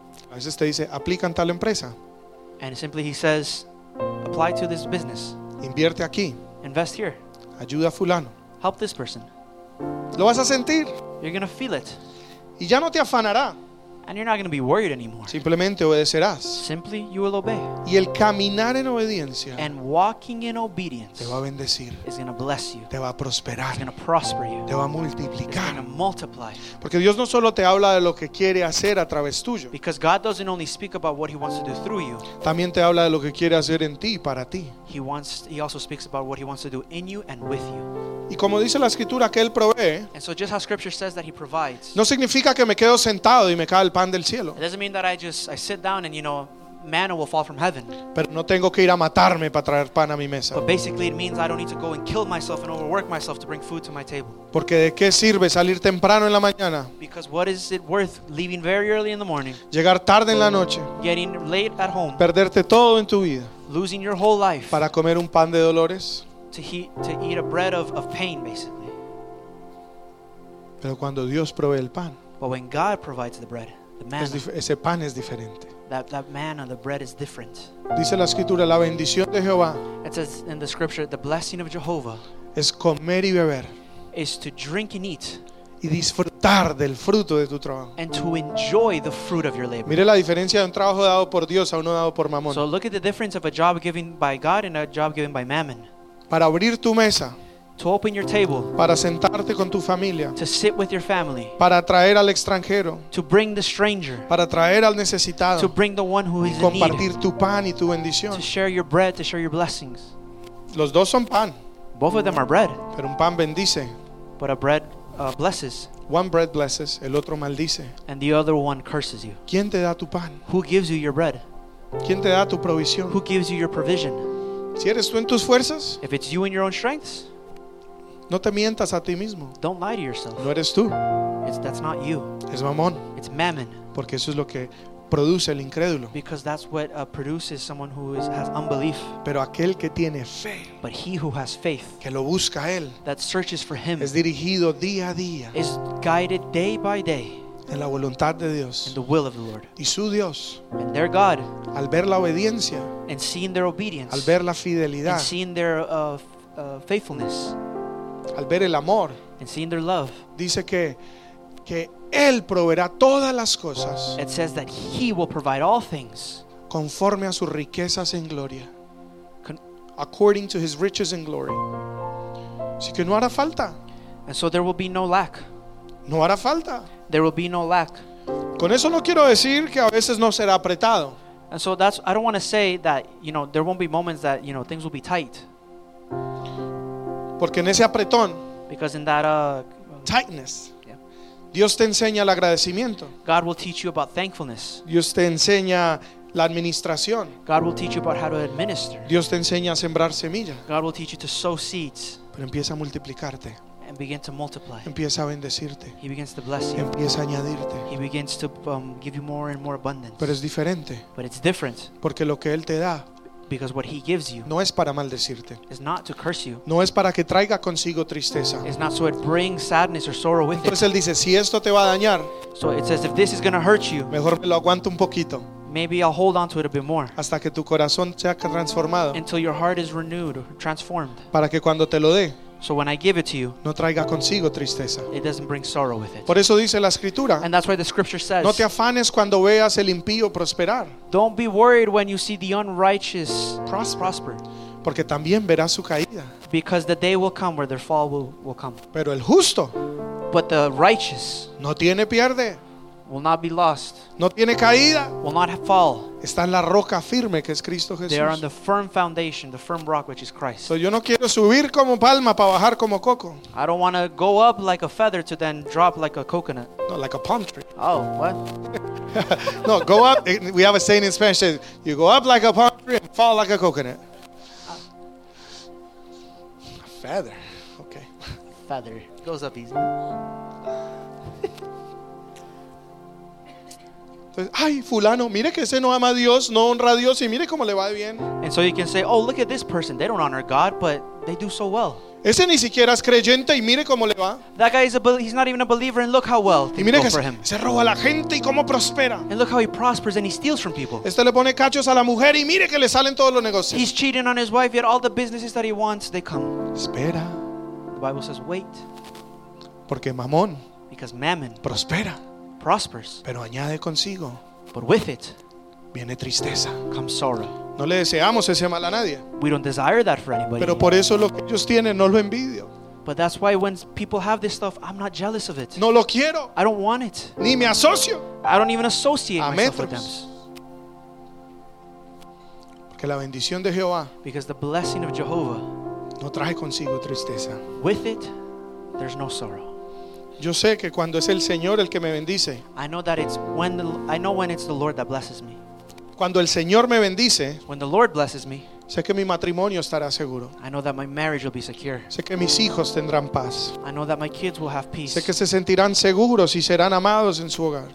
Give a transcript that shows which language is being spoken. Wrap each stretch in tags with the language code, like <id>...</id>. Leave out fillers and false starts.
<es>A veces te dice, aplica en tal empresa.</es> <en>And simply he says, apply to this business.</en> <es>Invierte aquí.</es> <en>Invest here.</en> <es>Ayuda a fulano.</es> <en>Help this person.</en> <es>Lo vas a sentir.</es> <en>You're going to feel it.</en> <es>Y ya no te afanará.</es> <en>And you're not going to be worried anymore.</en> <es>Simplemente obedecerás.</es> <en>Simply you will obey.</en> <es>Y el caminar en obediencia.</es> <en>And walking in obedience.</en> <es>Te va a bendecir.</es> <en>Is going to bless you.</en> <es>Te va a prosperar.</es> <en>It's going to prosper you.</en> <es>Te va a multiplicar.</es> <en>It's going to multiply.</en> <es>Porque Dios no solo te habla de lo que quiere hacer a través tuyo.</es> <en>Because God doesn't only speak about what he wants to do through you.</en> <es>También te habla de lo que quiere hacer en ti y para ti.</es> <en>He also speaks about what he wants to do in you and with you.</en> <es>Y como dice la escritura que él provee.</es> <en>And so just how scripture says that he provides.</en> <es>No significa que me quedo sentado y me cae el pan del cielo.</es> <en>It doesn't mean that I sit down and you know manna will fall from heaven.</en> <es>Pero no tengo que ir a matarme para traer pan a mi mesa.</es> <en>But basically it means I don't need to go and kill myself and overwork myself to bring food to my table.</en> <es>Porque de qué sirve salir temprano en la mañana?</es> <en>Because what is it worth leaving very early in the morning?</en> <es>Llegar tarde en la noche.</es> <en>Getting late at home.</en> <es>Perderte todo en tu vida.</es> <en>Losing your whole life.</en> <es>Para comer un pan de dolores.</es> <en>To eat a bread of pain, basically.</en> <es>Pero cuando Dios provee el pan,</es> <en>but when God provides the bread, the manna,</en> <es>ese pan es diferente.</es> <en>That manna, the bread is different.</en> <es>Dice la escritura, la bendición de Jehová.</es> <en>It says in the scripture, the blessing of Jehovah.</en> <es>Es comer y beber.</es> <en>Is to drink and eat.</en> <es>Y disfrutar del fruto de tu trabajo.</es> <en>And to enjoy the fruit of your labor.</en> <es>Mire la diferencia de un trabajo dado por Dios a uno dado por mamón.</es> <en>So look at the difference of a job given by God and a job given by mammon.</en> <es>Para abrir tu mesa.</es> <en>To open your table.</en> <es>Para sentarte con tu familia.</es> <en>To sit with your family.</en> <es>Para traer al extranjero.</es> <en>To bring the stranger.</en> <es>Para traer al necesitado.</es> <en>To bring the one who is in need.</en> <es>Compartir tu pan y tu bendición.</es> <en>To share your bread, to share your blessings.</en> <es>Los dos son pan.</es> <en>Both of them are bread.</en> <es>Pero un pan bendice.</es> <en>But a bread blesses. One bread blesses,</en> <es>el otro maldice.</es> <en>And the other one curses you.</en> <es>¿Quién te da tu pan?</es> <en>Who gives you your bread?</en> <es>¿Quién te da tu provisión?</es> <en>Who gives you your provision?</en> <es>Si eres tú en tus fuerzas,</es> <en>if it's you in your own strengths,</en> <es>no te mientas a ti mismo.</es> <en>Don't lie to yourself.</en> <es>No eres tú.</es> <en>That's not you.</en> <es>Es mamón.</es> <en>It's mammon.</en> <es>Porque eso es lo que produce el incrédulo.</es> <en>Because that's what produces someone who has unbelief.</en> <es>Pero aquel que tiene fe,</es> <en>but he who has faith,</en> <es>que lo busca a él,</es> <en>that searches for him,</en> <es>es dirigido día a día,</es> <en>is guided day by day,</en> <es>en la voluntad de Dios,</es> <en>in the will of the Lord,</en> <es>y su Dios,</es> <en>and their God,</en> <es>al ver la obediencia,</es> <en>and seeing their obedience,</en> <es>al ver la fidelidad,</es> <en>and seeing their faithfulness,</en> <es>al ver el amor,</es> <en>and seeing their love,</en> <es>dice que él proveerá todas las cosas.</es> <en>It says that he will provide all things</en> <es>conforme a sus riquezas en gloria.</es> <en>According to his riches in glory.</en> <es>Así que no hará falta.</es> <en>And so there will be no lack.</en> <es>No hará falta.</es> <en>There will be no lack.</en> <es>Con eso no quiero decir que a veces no será apretado.</es> <en>And so that's, I don't want to say that, you know, there won't be moments that, you know, things will be tight.</en> <es>Porque en ese apretón,</es> <en>because in that tightness,</en> <es>Dios te enseña el agradecimiento.</es> <en>God will teach you about thankfulness.</en> <es>Dios te enseña la administración.</es> <en>God will teach you about how to administer.</en> <es>Dios te enseña a sembrar semillas.</es> <en>God will teach you to sow seeds.</en> <es>Pero empieza a multiplicarte.</es> <en>And begin to multiply.</en> <es>Empieza a bendecirte.</es> <en>He begins to bless you.</en> <es>Empieza a añadirte.</es> <en>He begins to give you more and more abundance.</en> <es>Pero es diferente.</es> <en>But it's different.</en> <es>Porque lo que él te da,</es> <en>because what he gives you,</en> <es>no es para maldecirte,</es> <en>is not to curse you,</en> <es>no es para que traiga consigo tristeza,</es> <en>is not so it brings sadness or sorrow with.</en> <es>Entonces</es> <en>it.</en> <es>Él dice, si esto te va a dañar,</es> <en>so it says if this is going to hurt you,</en> <es>mejor me lo aguanto un poquito,</es> <en>maybe I'll hold on to it a bit more,</en> <es>hasta que tu corazón sea transformado,</es> <en>until your heart is renewed, transformed,</en> <es>para que cuando te lo dé,</es> <en>so when I give it to you,</en> <es>no traiga consigo tristeza.</es> <en>It doesn't bring sorrow with it.</en> <es>Por eso dice la escritura,</es> <en>and that's why the scripture says,</en> <es>no te afanes cuando veas el impío prosperar.</es> <en>Don't be worried when you see the unrighteous prosper.</en> <es>Porque también verás su caída.</es> <en>Because the day will come where their fall will come.</en> <es>Pero el justo,</es> <en>but the righteous,</en> <es>no tiene pierde,</es> <en>will not be lost,</en> <es>no tiene caída,</es> <en>will not fall.</en> <es>Está en la roca firme que es Cristo Jesús.</es> <en>They are on the firm foundation, the firm rock which is Christ.</en> <es>So yo no quiero subir como palma para bajar como coco.</es> <en>I don't want to go up like a feather to then drop like a coconut. No, like a palm tree. Oh, what? No, go up. We have a saying in Spanish that you go up like a palm tree and fall like a coconut. A feather. Okay. Feather. Goes up easy.</en> <es>Ay, fulano, mire que ese no ama a Dios, no honra a Dios, y mire cómo le va bien.</es> <en>And so you can say, oh, look at this person. They don't honor God, but they do so well.</en> <es>Ese ni siquiera es creyente, y mire cómo le va.</es> <en>That guy is he's not even a believer, and look how well things go for him.</en> <es>Se roba la gente y cómo prospera.</es> <en>And look how he prospers and he steals from people.</en> <es>Este le pone cachos a la mujer y mire que le salen todos los negocios.</es> <en>He's cheating on his wife, yet all the businesses that he wants, they come.</en> <es>Espera.</es> <en>The Bible says, wait.</en> <es>Porque mamón.</es> <en>Because mammon.</en> <es>Prospera.</es> <en>Prospers.</en> <es>Pero añade consigo,</es> <en>but with it</en> <es>viene tristeza,</es> <en>comes sorrow.</en> <es>No le deseamos ese mal a nadie.</es> <en>We don't desire that for anybody.</en> <es>Pero por eso lo que ellos tienen, no lo envidio.</es> <en>But that's why when people have this stuff, I'm not jealous of it.</en> <es>No lo quiero.</es> <en>I don't want it.</en> <es>Ni me asocio.</es> <en>I don't even associate myself with them.</en> <es>Porque la bendición de Jehová,</es> <en>because the blessing of Jehovah,</en> <es>no trae consigo tristeza.</es> <en>With it, there's no sorrow.</en> <es>Yo sé que cuando es el Señor el que me bendice.</es> <en>I know that it's when the, I know when it's the Lord that blesses me.</en> <es>Cuando el Señor me bendice,</es> <en>when the Lord blesses me,</en> <es>sé que mi matrimonio estará seguro.</es> <en>I know that my marriage will be secure.</en> <es>Sé que mis hijos tendrán paz.</es> <en>I know that my kids will have peace.</en> <es>Sé que se sentirán seguros y serán amados en su hogar.</es>